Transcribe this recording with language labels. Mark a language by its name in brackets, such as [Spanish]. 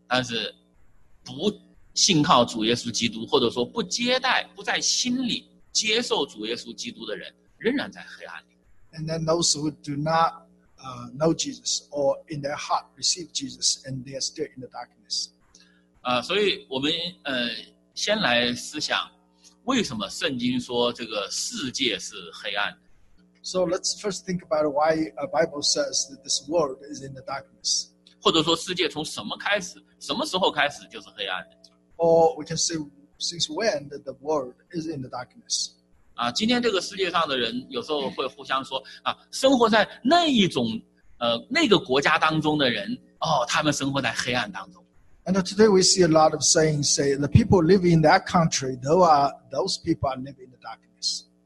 [Chinese] 但是不信靠主耶稣基督，或者说不接待，不在心里接受主耶稣基督的人，仍然在黑暗里。 [English] And then those who do not know Jesus or in their heart receive Jesus, and they are still in the darkness. [Chinese] 所以我们先来思想，为什么圣经说这个世界是黑暗的？ [English] So let's first think about why a Bible says that this world is in the darkness. [Chinese] 或者说世界从什么开始，什么时候开始就是黑暗的。 [English] Or we can say since when that the world is in the darkness. [Chinese] 今天这个世界上的人有时候会互相说，生活在那一种那个国家当中的人，他们生活在黑暗当中。 [English] And today we see a lot of saying, say the people living in that country, those people are living in the darkness.